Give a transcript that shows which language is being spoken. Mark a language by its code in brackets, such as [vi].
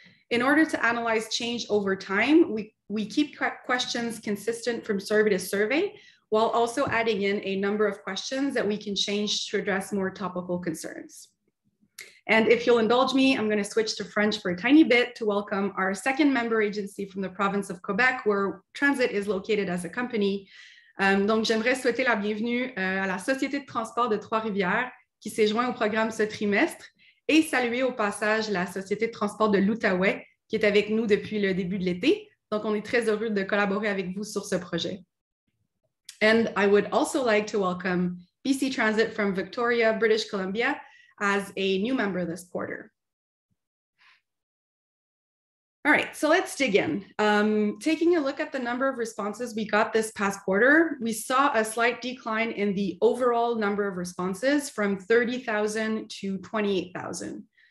[en] In order to analyze change over time, we keep questions consistent from survey to survey, while also adding in a number of questions that we can change to address more topical concerns. And if you'll indulge me, I'm going to switch to French for a tiny bit to welcome our second member agency from the province of Quebec, where Transit is located as a company. [fr] Donc, j'aimerais souhaiter la bienvenue à la Société de transport de Trois-Rivières qui s'est joint au programme ce trimestre et saluer au passage la Société de transport de l'Outaouais qui est avec nous depuis le début de l'été. Donc, on est très heureux de collaborer avec vous sur ce projet. [en] And I would also like to welcome BC Transit from Victoria, British Columbia, as a new member this quarter. All right, so let's dig in. Taking a look at the number of responses we got this past quarter, we saw a slight decline in the overall number of responses from 30,000 to 28,000.